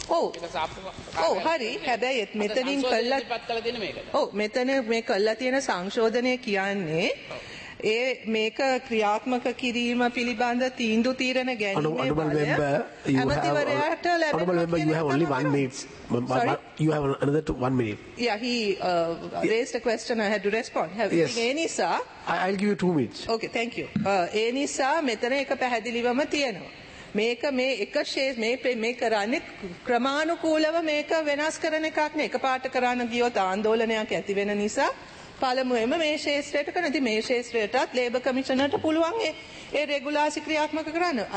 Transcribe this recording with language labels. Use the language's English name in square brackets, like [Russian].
[Sinhala] ඔව්. ඔව් හරි. හැබැයි මෙතනින් කළා පත්තල දෙන මේකට. ඔව් මෙතන මේ කළා තියෙන සංශෝධනය කියන්නේ ඒ මේක ක්‍රියාත්මක කිරීම පිළිබඳ තීන්දුව තීරණ ගැනීම අමාත්‍යවරයාට ලැබෙනවා. [English] You have only 1 minute. You have another 1 minute. Yeah, he raised a question. I had to respond. I'll give you 2 minutes. Okay, thank you. [Sinhala] Anisa මෙතන එක පැහැදිලිවම තියෙනවා. මේක මේ එක ෂේස් මේ කරන්නේ ක්‍රමානුකූලව මේක වෙනස් කරන එකක් නේ. එකපාරට කරන්න ගියොත් ආන්දෝලනයක් ඇති වෙන නිසා පළමුවෙම මේ ශේෂ්ත්‍රයට කරන ඉතින් මේ ශේෂ්ත්‍රයටත් ලේබර් කමිෂනට පුළුවන් ඒ රෙගුලාසි ක්‍රියාත්මක කරන්න.